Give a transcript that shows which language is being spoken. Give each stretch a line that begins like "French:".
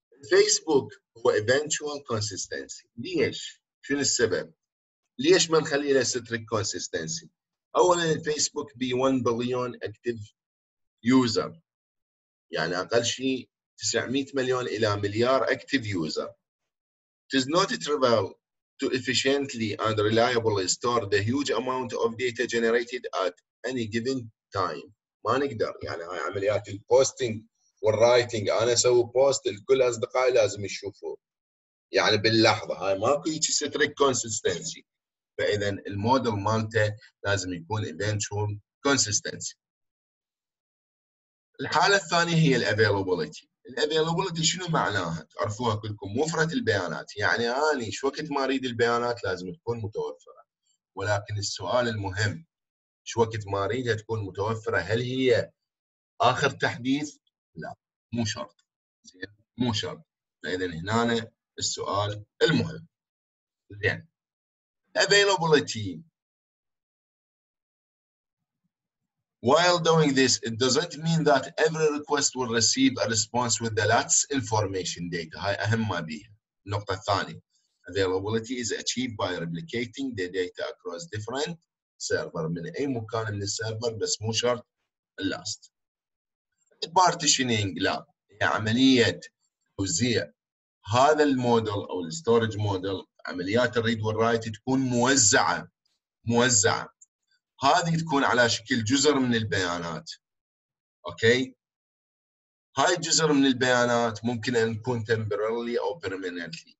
Arabic: فيسبوك هو eventual consistency. ليش؟ شو السبب؟ ليش ما نخلي له strict consistency؟ اولا الفيسبوك بي 1 بليون اكتف يوزر، يعني اقل شيء 900 مليون الى مليار اكتف يوزر.
English: It is not trivial to efficiently and reliably store the huge amount of data generated at any given time.
Arabic: ما نقدر، يعني هاي عمليات البوستينج والرايتينج، انا اسوي بوست لكل اصدقائي لازم يشوفوه، يعني باللحظه هاي ماكو شيء strict consistency. فاذا المودل مالته لازم يكون eventual consistency. الحاله الثانيه هي الافيلابيليتي. الافيلابيليتي شنو معناها؟ تعرفوها كلكم، وفرة البيانات. يعني انا شو وقت ما اريد البيانات لازم تكون متوفره، ولكن السؤال المهم شو وقت ما اريدها تكون متوفره؟ هل هي اخر تحديث؟ لا، مو شرط. زين مو شرط. فاذا هنا السؤال المهم. زين
English: availability. While doing this, it doesn't mean that every request will receive a response with the lats information data.
Arabic: هاي أهم بيها. نقطة ثانية.
English: Availability is achieved by replicating the data across different server.
Arabic: من أي مكان من السيرفر بس مو شرط last. Partitioning لا. هي عملية توزيع هذا الموديل أو الستورج موديل عمليات الريد والرايت تكون موزعة. موزعة. هذه تكون على شكل جزر من البيانات. أوكي؟ هاي الجزر من البيانات ممكن أن يكون temporarily أو permanently.